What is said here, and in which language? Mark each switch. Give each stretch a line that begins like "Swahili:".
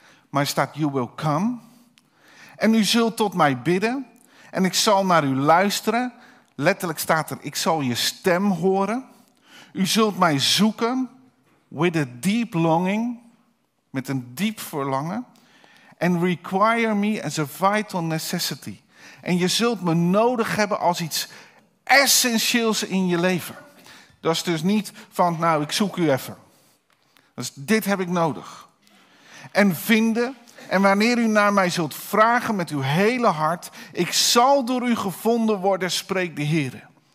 Dutch: maar staat
English: you will come.
Dutch: En u zult tot mij bidden en ik zal naar u luisteren. Letterlijk staat er, ik zal je stem horen. U zult mij zoeken
English: with a deep longing,
Dutch: met een diep verlangen.
English: And require me as a vital necessity.
Dutch: En je zult me nodig hebben als iets essentieels in je leven. Dat is dus niet van, nou, ik zoek u even. Dus dit heb ik nodig. En vinden, en wanneer u naar mij zult vragen met uw hele hart, ik zal door u gevonden worden, spreekt de Heer.